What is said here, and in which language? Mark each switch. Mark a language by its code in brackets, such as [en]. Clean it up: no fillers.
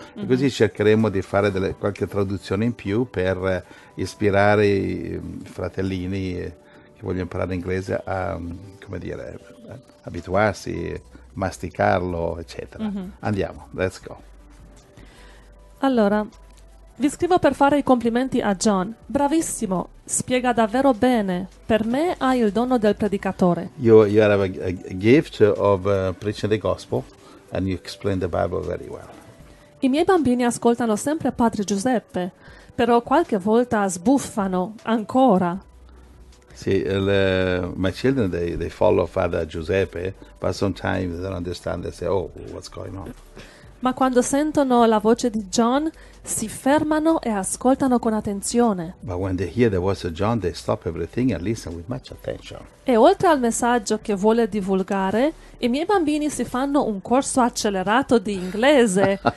[it] E così cercheremo di fare qualche traduzione in più per ispirare i fratellini che vogliono imparare inglese a, come dire, abituarsi, masticarlo, eccetera. Andiamo, [en] let's go. [it] Allora, vi scrivo per fare i complimenti a John. Bravissimo, spiega davvero bene. Per me hai il dono del predicatore. [en] You have a gift of preaching the gospel and you explain the Bible very well. [it] I miei bambini ascoltano sempre Padre Giuseppe, però qualche volta sbuffano ancora. [en] See, my children they follow Father Giuseppe, but sometimes they don't understand. They say, "Oh, what's going on?" [it] Ma quando sentono la voce di John, si fermano e ascoltano con attenzione. [en] But when they hear the voice of John, they stop everything and listen with much attention. [it] E oltre al messaggio che vuole divulgare, i miei bambini si fanno un corso accelerato di inglese.